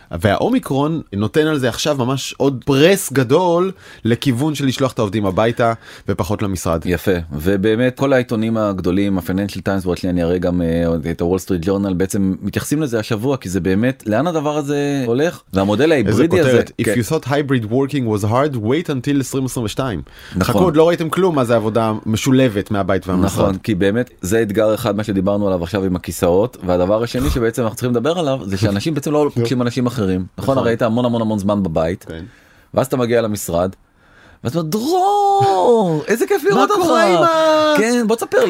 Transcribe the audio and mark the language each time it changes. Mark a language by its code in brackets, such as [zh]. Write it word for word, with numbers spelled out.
[he] והאומיקרון נותן על זה עכשיו ממש עוד פרס גדול, לכיוון של לשלוח את העובדים הביתה, ופחות למשרד. יפה, ובאמת כל העיתונים הגדולים, ה-Financial Times, וואטלי, אני אראה גם את ה-Wall Street Journal, בעצם מתייחסים לזה השבוע, כי זה באמת, לאן הדבר הזה הולך? והמודל ההיברידי הזה... [en] If you thought hybrid working was hard, wait until twenty twenty-two. [he] חכו, עוד לא ראיתם כלום, אז העבודה משולבת מהבית והמשרד. נכון, כי באמת זה אתגר אחד, מה שדיברנו עליו עכשיו עם הכיסא. והדבר השני שבעצם אנחנו צריכים לדבר עליו זה שאנשים בעצם לא פוגשים אנשים אחרים. נכון, הרי היית המון המון המון זמן בבית, ואז אתה מגיע למשרד ואתה אומר, דרור, איזה כיף לראות אותך, כן, בוא תספר לי,